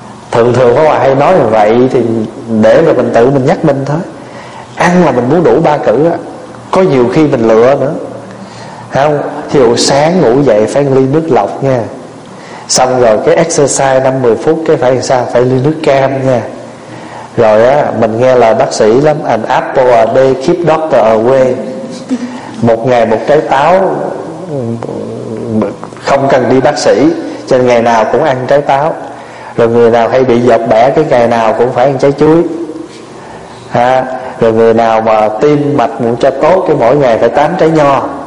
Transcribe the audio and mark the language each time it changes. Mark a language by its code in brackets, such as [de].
[vi] Thường thường có bà hay nói là vậy, thì để rồi mình tự mình nhắc mình thôi. Ăn là mình muốn đủ 3 cử á, có nhiều khi mình lựa nữa. Thấy không? Thì sáng ngủ dậy phải ly nước lọc nha. Xong rồi cái exercise 5-10 phút cái phải sao? Phải ly nước cam nha. Rồi á, mình nghe lời bác sĩ lắm. [en] An apple a day keep doctor away. [vi] Một ngày một trái táo không cần đi bác sĩ, cho nên ngày nào cũng ăn trái táo. Rồi người nào hay bị giọt bẻ cái ngày nào cũng phải ăn trái chuối ha. Rồi người nào mà tim mạch muốn cho tốt cái mỗi ngày phải 8 trái nho.